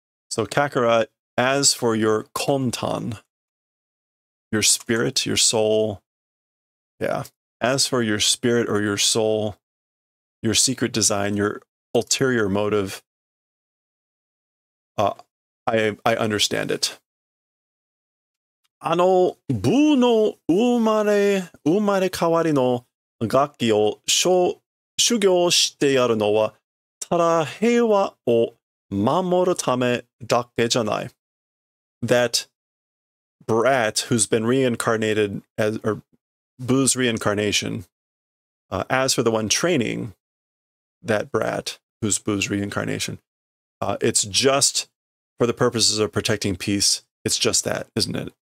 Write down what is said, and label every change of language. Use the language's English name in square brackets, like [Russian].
[English] So Kakarot, as for your kontan, your spirit, your soul, yeah, as for your spirit or your soul, your secret design, your ulterior motive, I understand it. [Japanese] あの、ブーの生まれ変わりの楽器を修行してやるのは、ただ平和を守るためだけじゃない。 [English] That brat who's been reincarnated, or Boo's reincarnation, as for the one training that brat who's Boo's reincarnation, it's just for the purposes of protecting peace, it's just that, isn't it?